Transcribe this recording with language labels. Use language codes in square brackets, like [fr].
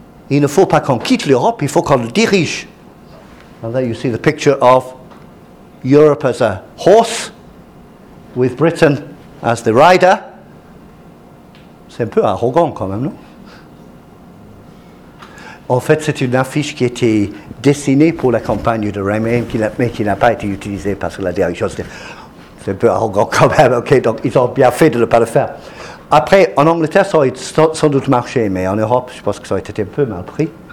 [fr] Il ne faut pas qu'on quitte l'Europe, il faut qu'on le dirige. [en] And there you see the picture of Europe as a horse with Britain as the rider. [fr] C'est un peu arrogant quand même, non? En fait, c'est une affiche qui était dessinée pour la campagne de Remain, mais qui n'a pas été utilisée parce que la direction, c'est un peu arrogant quand même. Okay, donc ils ont bien fait de ne pas le faire. Après, en Angleterre, ça aurait sans doute marché, mais en Europe, je pense que ça aurait été un peu mal pris.